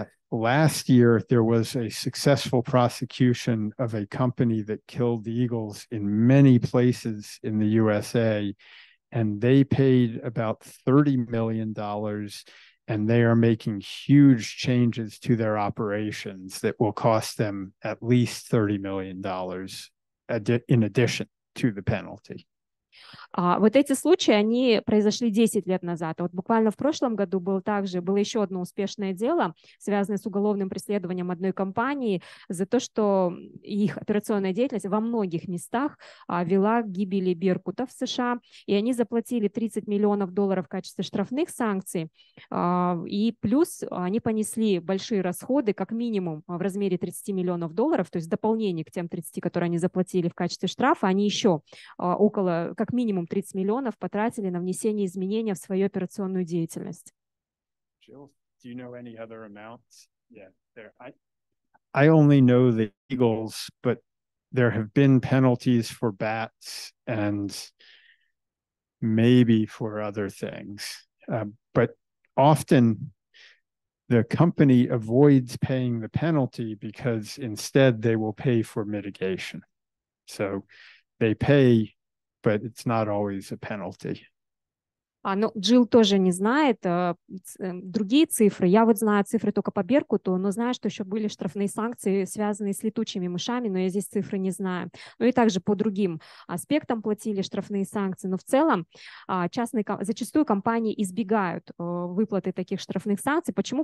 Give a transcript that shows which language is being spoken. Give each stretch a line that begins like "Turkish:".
English: Last year, there was a successful prosecution of a company that killed eagles in many places in the USA, and they paid about $30 million, and they are making huge changes to their operations that will cost them at least $30 million in addition to the penalty.
Russian: Вот эти случаи, они произошли 10 лет назад. Вот буквально в прошлом году было также, было еще одно успешное дело, связанное с уголовным преследованием одной компании за то, что их операционная деятельность во многих местах вела к гибели беркутов в США, и они заплатили $30 миллионов в качестве штрафных санкций, и плюс они понесли большие расходы, как минимум в размере $30 миллионов, то есть в дополнение к тем 30, которые они заплатили в качестве штрафа, они еще около, как минимум, $30 миллионов потратили на внесение изменений в свою операционную деятельность.
English: Jill, do you know any other amounts? Yeah, there. I only know the eagles, but there have been penalties for bats and maybe for other things. But often the company avoids paying the penalty because instead they will pay for mitigation. So they pay, but it's not always a penalty.
Russian: Ну, Джилл тоже не знает другие цифры. Я вот знаю цифры только по беркуту, но знаю, что еще были штрафные санкции, связанные с летучими мышами, но я здесь цифры не знаю. Ну и также по другим аспектам платили штрафные санкции. Но в целом частные, зачастую компании избегают выплаты таких штрафных санкций. Почему?